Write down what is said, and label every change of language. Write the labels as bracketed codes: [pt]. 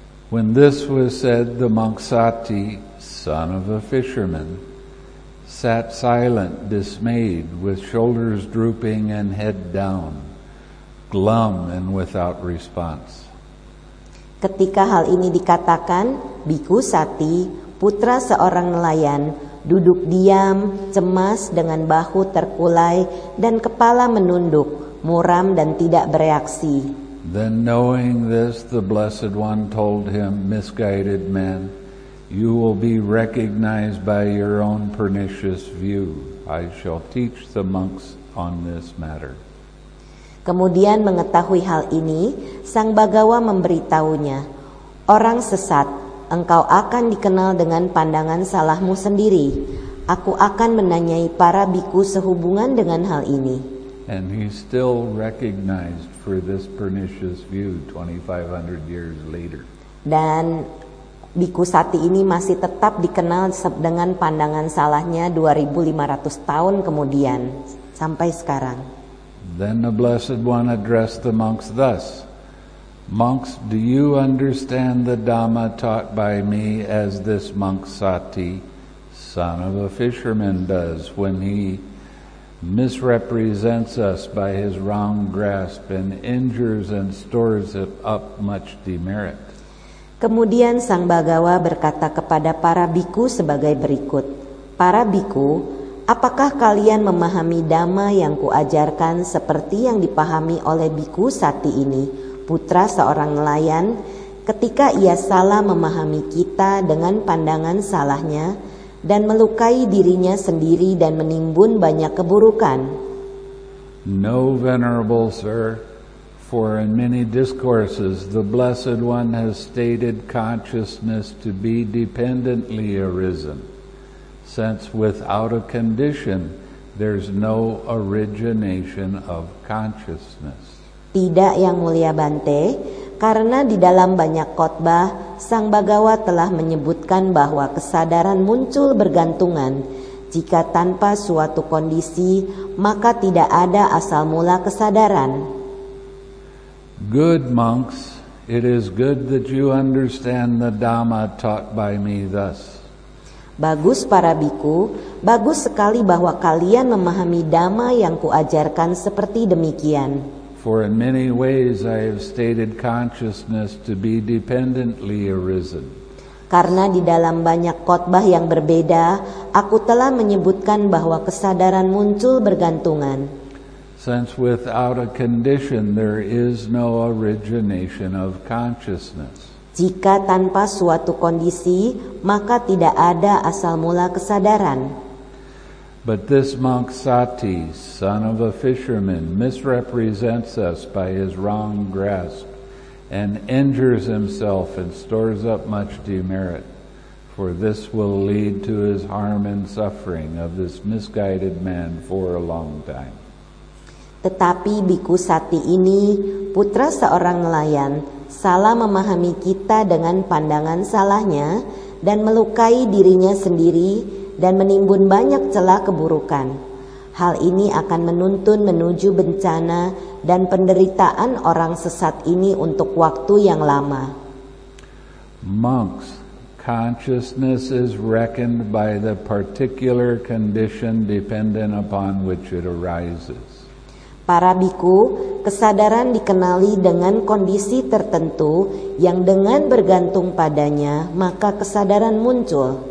[en] When this was said, the monk Sati, son of a fisherman, sat silent, dismayed, with shoulders drooping and head down, glum and without response. [id] Ketika hal ini dikatakan, Bhikkhu Sati, putra seorang nelayan, duduk diam, cemas dengan bahu terkulai dan kepala menunduk, muram dan tidak bereaksi. [en] Then knowing this, the Blessed One told him, "Misguided man, you will be recognized by your own pernicious view. I shall teach the monks on this matter." [id] Kemudian mengetahui hal ini, Sang Bhagawa memberitahunya, "Orang sesat, engkau akan dikenal dengan pandangan salahmu sendiri. Aku akan menanyai para bhikkhu sehubungan dengan hal ini." [en] And he still recognized for this pernicious view 2500 years later. [id] Dan Bhikkhu Sati ini masih tetap dikenal dengan pandangan salahnya 2500 tahun kemudian sampai sekarang. [en] Then the Blessed One addressed the monks thus, "Monks, do you understand the Dhamma taught by me as this monk Sati, son of a fisherman, does when he misrepresents us by his wrong grasp and injures and stores it up much demerit?" [id] Kemudian Sang Bhagawa berkata kepada para bhikkhu sebagai berikut, "Para bhikkhu, apakah kalian memahami dhamma yang kuajarkan seperti yang dipahami oleh Bhikkhu Sati ini, putra seorang nelayan, ketika ia salah memahami kita dengan pandangan salahnya dan melukai dirinya sendiri dan menimbun banyak keburukan?" [en] "No, venerable sir. For in many discourses, the Blessed One has stated consciousness to be dependently arisen, since without a condition, there's no origination of consciousness." [id] "Tidak, Yang Mulia Bante, karena di dalam banyak khotbah, Sang Bhagawa telah menyebutkan bahwa kesadaran muncul bergantungan. Jika tanpa suatu kondisi, maka tidak ada asal mula kesadaran." [en] "Good monks, it is good that you understand the Dhamma taught by me thus." [id] Bagus para bhikkhu, bagus sekali bahwa kalian memahami Dhamma yang kuajarkan seperti demikian. [en] "For in many ways I have stated consciousness to be dependently arisen." [id] Karena di dalam banyak khotbah yang berbeda, aku telah menyebutkan bahwa kesadaran muncul bergantungan. [en] "Since without a condition there is no origination of consciousness." [id] Jika tanpa suatu kondisi, maka tidak ada asal mula kesadaran. [en] "But this monk Sati, son of a fisherman, misrepresents us by his wrong grasp and injures himself and stores up much demerit. For this will lead to his harm and suffering of this misguided man for a long time." [id] Tetapi Bhikkhu Sati ini, putra seorang nelayan, salah memahami kita dengan pandangan salahnya dan melukai dirinya sendiri dan menimbun banyak celah keburukan. Hal ini akan menuntun menuju bencana dan penderitaan orang sesat ini untuk waktu yang lama. [en] Monks, consciousness is reckoned by the particular condition dependent upon which it arises. [id] Para bhikkhu, kesadaran dikenali dengan kondisi tertentu yang dengan bergantung padanya maka kesadaran muncul.